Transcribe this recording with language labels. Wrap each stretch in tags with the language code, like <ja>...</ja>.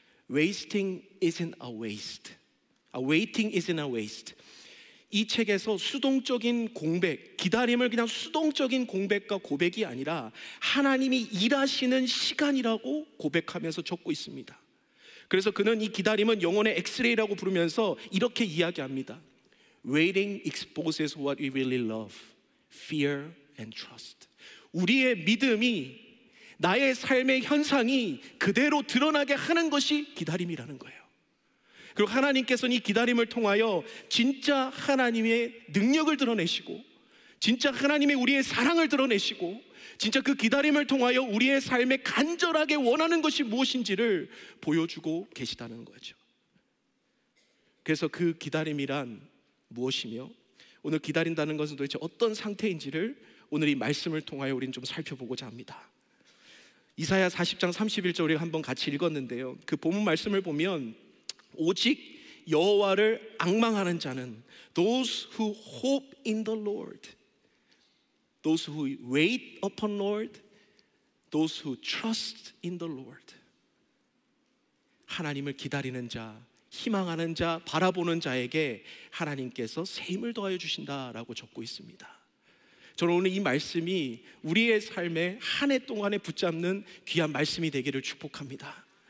<en>Wasting isn't a waste. Waiting isn't a waste.</en> <ko>이 책에서 수동적인 공백, 기다림을 그냥 수동적인 공백과 고백이 아니라 하나님이 일하시는 시간이라고 고백하면서 적고 있습니다. 그래서 그는 이 기다림은 영혼의 엑스레이라고 부르면서 이렇게 이야기합니다.</ko> <en>Waiting exposes what we really love, fear and trust.</en> <ko>우리의 믿음이 나의 삶의 현상이 그대로 드러나게 하는 것이 기다림이라는 거예요. 그리고 하나님께서는 이 기다림을 통하여 진짜 하나님의 능력을 드러내시고 진짜 하나님의 우리의 사랑을 드러내시고 진짜 그 기다림을 통하여 우리의 삶에 간절하게 원하는 것이 무엇인지를 보여주고 계시다는 거죠. 그래서 그 기다림이란 무엇이며 오늘 기다린다는 것은 도대체 어떤 상태인지를 오늘 이 말씀을 통하여 우리는 좀 살펴보고자 합니다. 이사야 40장 31절 우리가 한번 같이 읽었는데요. 그 본문 말씀을 보면 오직 여호와를 앙망하는 자는</ko> <en>Those who hope in the Lord, Those who wait upon the Lord, Those who trust in the Lord.</en> <ko>하나님을 기다리는 자, 희망하는 자, 바라보는 자에게 하나님께서 새 힘을 더하여 주신다라고 적고 있습니다. 저는 오늘 이 말씀이 우리의 삶에 한 해 동안에 붙잡는 귀한 말씀이 되기를 축복합니다.</ko>